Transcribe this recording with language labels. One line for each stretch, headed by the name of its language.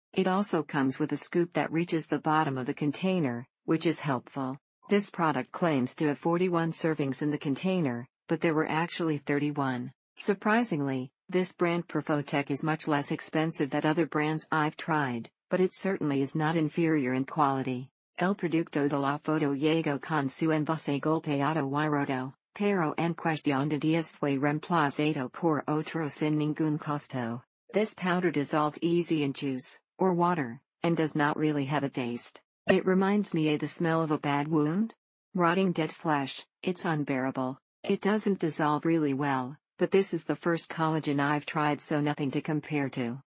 English: It also comes with a scoop that reaches the bottom of the container, which is helpful. This product claims to have 41 servings in the container, but there were actually 31. Surprisingly, this brand Profotech is much less expensive than other brands I've tried, but it certainly is not inferior in quality.
Spanish: El producto de la foto llegó con su envase golpeado y roto, pero en cuestión de días fue reemplazado por otro sin ningún costo.
English: This powder dissolves easy in juice or water, and does not really have a taste. It reminds me of the smell of a bad wound. Rotting dead flesh, it's unbearable. It doesn't dissolve really well, but this is the first collagen I've tried, so nothing to compare to.